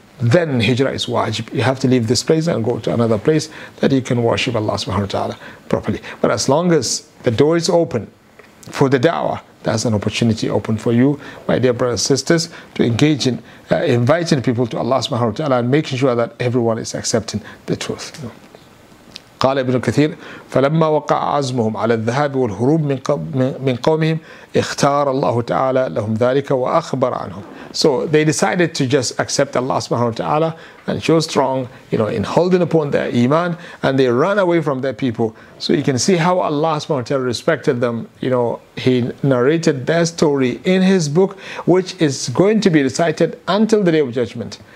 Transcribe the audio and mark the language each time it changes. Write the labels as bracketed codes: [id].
[en] Then hijrah is wajib. You have to leave this place and go to another place that you can worship Allah subhanahu wa ta'ala properly. But as long as the door is open for the da'wah, there's an opportunity open for you, my dear brothers and sisters, to engage in inviting people to Allah subhanahu wa ta'ala and making sure that everyone is accepting the truth. [ar] قال ابن كثير فلما وقع عزمهم على الذهاب والهروب من قومهم اختار الله تعالى لهم ذلك وأخبر عنهم. [en] So they decided to just accept Allah subhanahu wa ta'ala and show strong, you know, in holding upon their iman, and they ran away from their people. So you can see how Allah subhanahu wa ta'ala respected them. You know, he narrated their story in his book, which is going to be recited until the Day of Judgment.